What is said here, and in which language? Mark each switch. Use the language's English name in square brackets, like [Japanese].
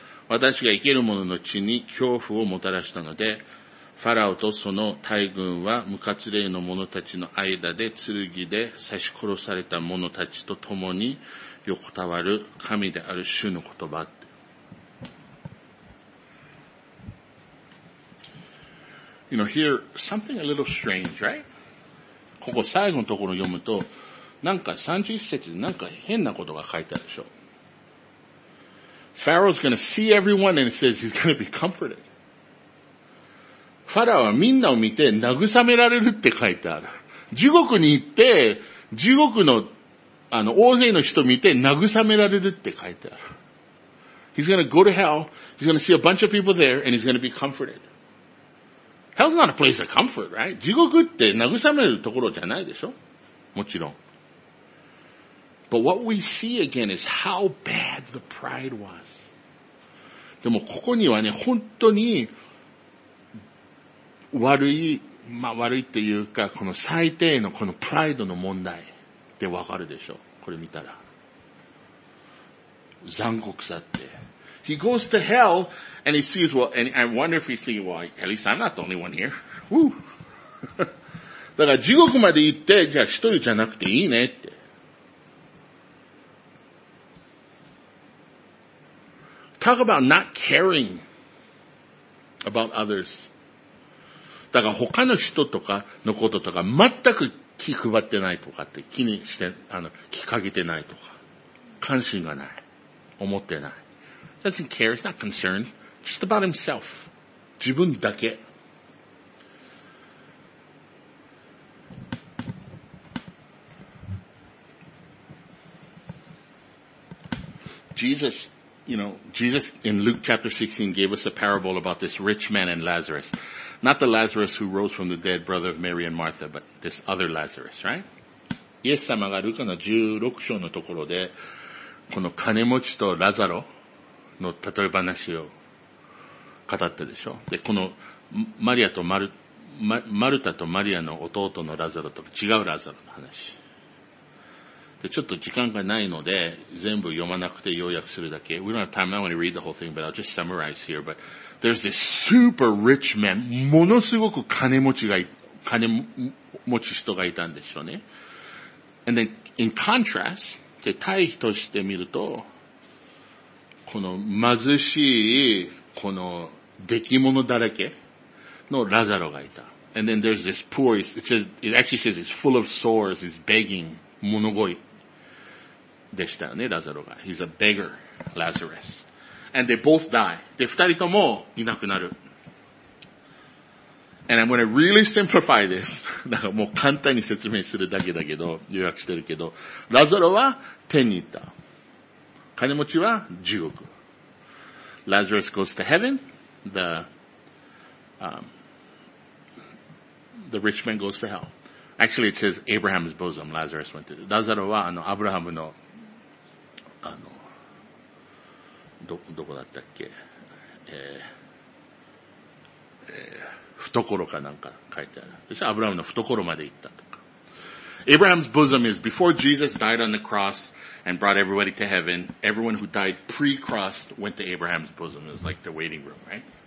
[Japanese] 私が生ける者の地に恐怖をもたらしたので、ファラオとその大軍は無活霊の者たちの間で剣で刺し殺された者たちと共に横たわる神である主の言葉って。 [English] You know, here, something a little strange, right? [Japanese] ここ最後のところを読むと、なんか31節でなんか変なことが書いてあるでしょ。 [English] Pharaoh's gonna see everyone and it says he's gonna be comforted. [Japanese] ファラオはみんなを見て慰められるって書いてある。地獄に行って、地獄の、大勢の人を見て慰められるって書いてある。 [English] He's gonna go to hell, he's gonna see a bunch of people there, and he's gonna be comforted. Hell's not a place of comfort, right? [Japanese] 地獄って慰めるところじゃないでしょ? もちろん。 [English] But what we see again is how bad the pride was. [Japanese] でもここにはね、本当に悪い、悪いっていうか、この最低のこのプライドの問題ってわかるでしょ? これ見たら。残酷さって。 [English] He goes to hell and he sees, well, and I wonder if he's thinking, well, at least I'm not the only one here. Woo! [Japanese] だから地獄まで行って、じゃあ一人じゃなくていいねって。 [English] Talk about not caring about others. [Japanese] だから他の人とかのこととか全く気配ってないとかって気にして、気かけてないとか、関心がない。思ってない。 [English] Doesn't care, he's not concerned, just about himself. [Japanese] 自分だけ。 [English] Jesus, Jesus in Luke chapter 16 gave us a parable about this rich man and Lazarus. Not the Lazarus who rose from the dead, brother of Mary and Martha, but this other Lazarus, right? [Japanese] イエス様がルカの16章のところで、この金持ちとラザロ、の例え話を語ったでしょ。で、このマリアとマルタとマリアの弟のラザロとか違うラザロの話。で、ちょっと時間がないので全部読まなくて要約するだけ。 [English] We don't have time, I don't want to read the whole thing, but I'll just summarize here. But there's this super rich man. [Japanese] ものすごく金持ち人がいたんでしょうね。 [English] And then in contrast, [Japanese] で、対比として見ると、この貧しい、この、出来物だらけのラザロがいた。 [English] And then there's this poor, it says, it actually says it's full of sores, he's begging, [Japanese] 物乞いでしたよね、ラザロが。 [English] He's a beggar, Lazarus. And they both die. [Japanese] で、二人ともいなくなる。 [English] And I'm going to really simplify this. [Japanese] だからもう簡単に説明するだけだけど、予約してるけど、ラザロは天に行った。金持ちは地獄。 [English] Lazarus goes to heaven, the rich man goes to hell. Actually, it says Abraham's bosom, Lazarus went to. [Japanese] Lazaro は、アブラハムの、どこだったっけ、懐かなんか書いてある。そしてアブラハムの懐まで行ったとか。 [English] Abraham's bosom is before Jesus died on the cross and brought everybody to heaven, everyone who died pre-cross went to Abraham's bosom. It was like the waiting room, right?